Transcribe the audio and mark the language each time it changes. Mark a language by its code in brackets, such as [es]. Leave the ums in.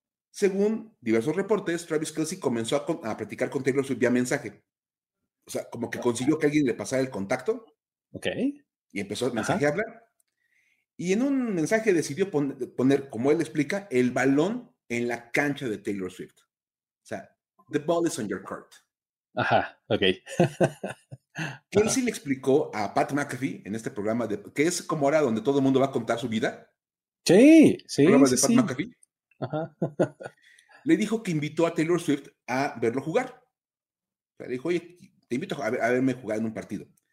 [es] Según diversos reportes, Travis Kelsey comenzó a, a practicar con Taylor Swift vía mensaje. O sea, como que consiguió que alguien le pasara el contacto. Ok. Y empezó a mensaje Ajá. a hablar. Y en un mensaje decidió pon, poner, como él explica, el balón en la cancha de Taylor Swift. [en] O sea, the ball is on your court. [es] Ajá, ok. Kelsey Ajá. le explicó a Pat McAfee en este programa, de, que es como ahora donde todo el mundo va a contar su vida. Sí, sí. El programa de sí, Pat sí. McAfee. Ajá. le dijo que invitó a Taylor Swift a verlo jugar. le dijo, oye, te invito a, ver, a verme jugar en un partido.